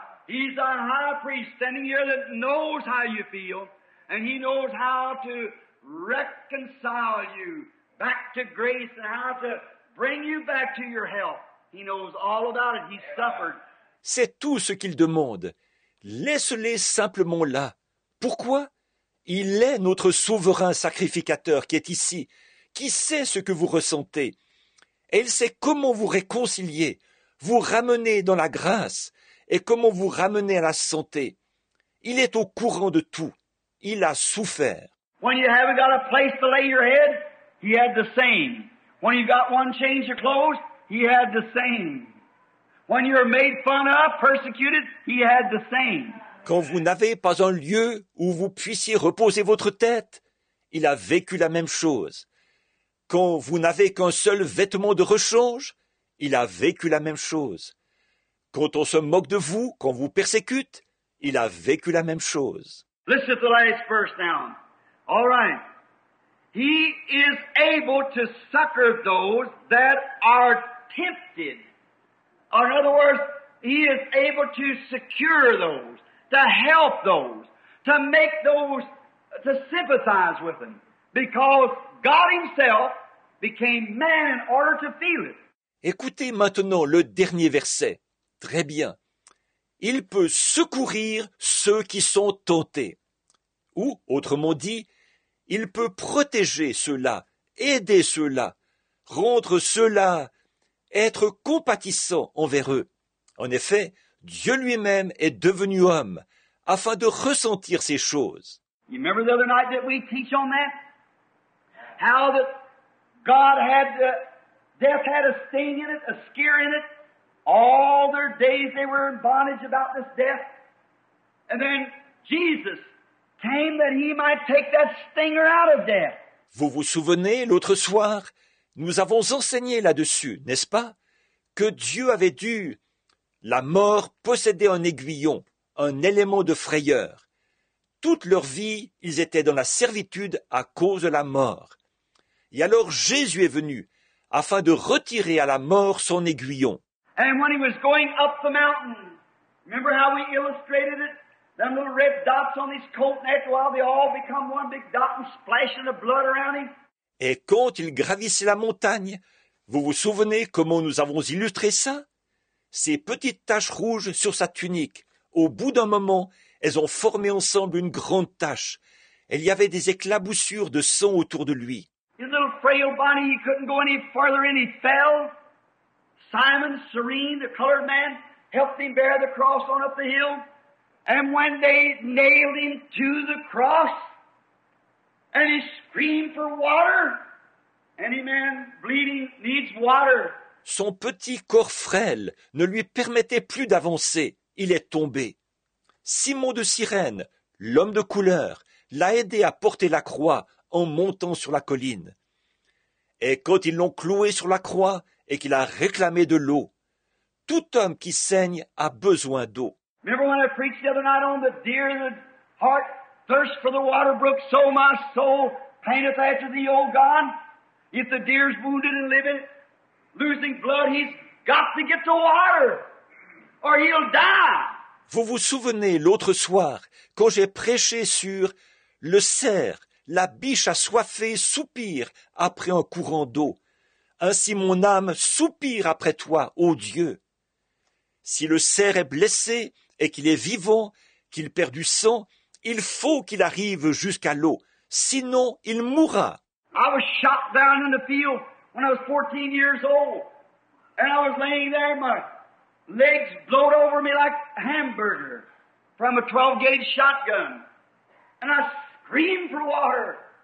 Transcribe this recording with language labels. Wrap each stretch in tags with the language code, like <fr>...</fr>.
<en>He's a high priest standing here that knows how you feel, and He knows how to reconcile you back to grace and how to bring you back to your health. He knows all about it. He suffered.</en> <fr>C'est tout ce qu'il demande. Laisse-les simplement là. Pourquoi? Il est notre souverain sacrificateur qui est ici, qui sait ce que vous ressentez. Et il sait comment vous réconcilier, vous ramener dans la grâce. Et comment vous ramener à la santé? Il est au courant de tout. Il a souffert.</fr> <en>When you haven't got a place to lay your head, He had the same. When you got one change of clothes, He had the same. When you were made fun of, persecuted, He had the same.</en> <fr>Quand vous n'avez pas un lieu où vous puissiez reposer votre tête, il a vécu la même chose. Quand vous n'avez qu'un seul vêtement de rechange, il a vécu la même chose. Quand on se moque de vous, quand vous persécute, il a vécu la même chose.</fr> <en>Listen to the last verse now. All right. He is able to succor those that are tempted. Or in other words, He is able to secure those, to help those, to make those, to sympathize with them. Because God Himself became man in order to feel it.</en> <fr>Écoutez maintenant le dernier verset. Très bien. Il peut secourir ceux qui sont tentés. Ou, autrement dit, il peut protéger ceux-là, aider ceux-là, rendre ceux-là, être compatissant envers eux. En effet, Dieu lui-même est devenu homme afin de ressentir ces choses.</fr> <en>You remember the other night that we teach on that? How that God had the, death had a sting in it, a scare in it. All their days they were in bondage about this death. And then Jesus came that He might take that stinger out of death.</en> <fr>Vous vous souvenez, l'autre soir, nous avons enseigné là-dessus, n'est-ce pas, que Dieu avait dû, la mort possédait un aiguillon, un élément de frayeur. Toute leur vie, ils étaient dans la servitude à cause de la mort. Et alors Jésus est venu afin de retirer à la mort son aiguillon.</fr> <en>And when He was going up the mountain, remember how we illustrated it? Them little red dots on His coat, and after a while they all become one big dot and splashing the blood around Him.</en> <fr>Et quand il gravissait la montagne, vous vous souvenez comment nous avons illustré ça? Ces petites taches rouges sur sa tunique, au bout d'un moment, elles ont formé ensemble une grande tache. Il y avait des éclaboussures de sang autour de lui.</fr> <en>His little frail body, he couldn't go any farther and he fell. Simon, Serene, the colored man, helped him bear the cross on up the hill. And when they nailed him to the cross, and he screamed for water, any man bleeding needs water.</en> <fr>Son petit corps frêle ne lui permettait plus d'avancer. Il est tombé. Simon de Cyrène, l'homme de couleur, l'a aidé à porter la croix en montant sur la colline. Et quand ils l'ont cloué sur la croix, et qu'il a réclamé de l'eau. Tout homme qui saigne a besoin d'eau.</fr> <en>Remember when I preached the other night on the deer, the heart thirst for the water brook, so my soul panteth after thee, O God. If the deer's wounded and living, losing blood, he's got to get the water, or he'll die.</en> <fr>Vous vous souvenez l'autre soir, quand j'ai prêché sur le cerf, la biche assoiffée soupire après un courant d'eau. Ainsi mon âme soupire après toi, ô Dieu. Si le cerf est blessé et qu'il est vivant, qu'il perd du sang, il faut qu'il arrive jusqu'à l'eau, sinon il mourra.</fr> <en>I was shot down in the field when I was 14 years old, and I was laying there, my legs blowed over me like a hamburger from a 12-gauge shotgun, and I screamed for water.</en>